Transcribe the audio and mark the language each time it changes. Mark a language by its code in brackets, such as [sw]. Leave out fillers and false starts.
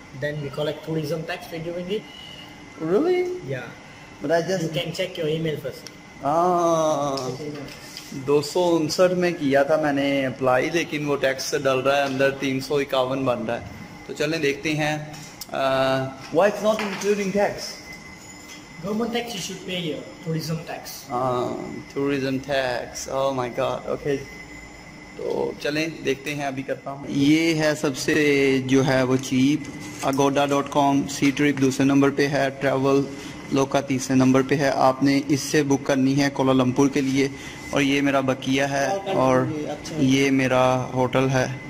[en] Then we collect tourism tax for doing it. Really? Yeah. But I just... You can check your email first. [hi] $259 में किया था मैंने apply, लेकिन वो tax से डल रहा है अंदर, 351 बन रहा है. तो चलें देखते हैं. [en] Why it's not including tax? Government tax you should pay here, tourism tax. Tourism tax. Oh my god. Okay. [hi] तो चलें देखते हैं, अभी करता हूँ. ये है सबसे जो है वो चीप, agoda.com. सी ट्रिप दूसरे नंबर पे है, ट्रैवल लोका तीसरे नंबर पे है. आपने इससे बुक करनी है कुआला लंपुर के लिए. और ये मेरा बकिया है और ये मेरा होटल है.